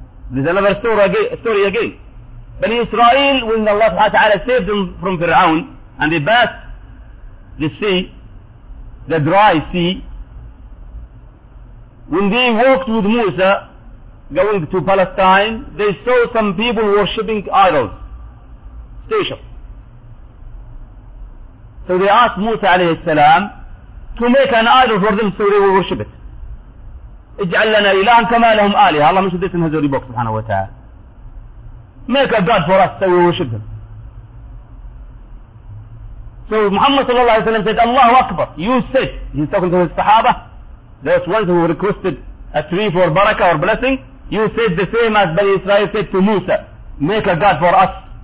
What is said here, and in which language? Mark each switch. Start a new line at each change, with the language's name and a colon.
English: There's another story again. Bani Israel, when Allah subhanahu wa ta'ala saved them from Fir'aun, and they passed the sea, the dry sea, when they walked with Musa, going to Palestine, they saw some people worshipping idols, stations. So they asked Musa alayhi salam to make an idol for them so they will worship it.
Arabic: اجعل لنا إلها كما لهم آلهة.
English: Allah mentioned this in his holy book, subhanahu wa ta'ala. Make a god for us so we worship him. So Muhammad sallallahu alayhi wa sallam said, Allahu Akbar, you said, he's talking to his Sahaba, those ones who requested a tree for barakah or blessing, you said the same as Bani Israel said to Musa, make a god for us.